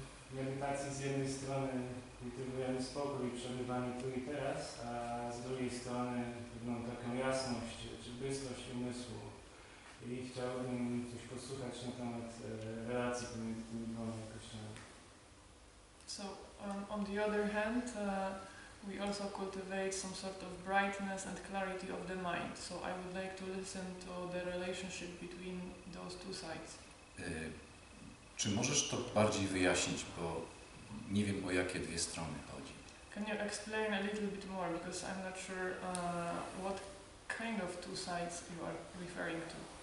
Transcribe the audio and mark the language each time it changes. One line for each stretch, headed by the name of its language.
Polish: W medytacji z jednej strony kultywujemy spokój i przebywanie tu i teraz, a z drugiej strony pewną taką jasność czy bystrość umysłu. I chciałbym coś posłuchać na temat relacji pomiędzy tymi dwoma jakościami.
English: So, on the other hand, we also cultivate some sort of brightness and clarity of the mind. So I would like to listen to the relationship between those two sides.
Polish: Czy możesz to bardziej wyjaśnić, bo nie wiem, o jakie dwie strony chodzi.
English: Can you explain a little bit more, because I'm not sure what kind of two sides you are referring to.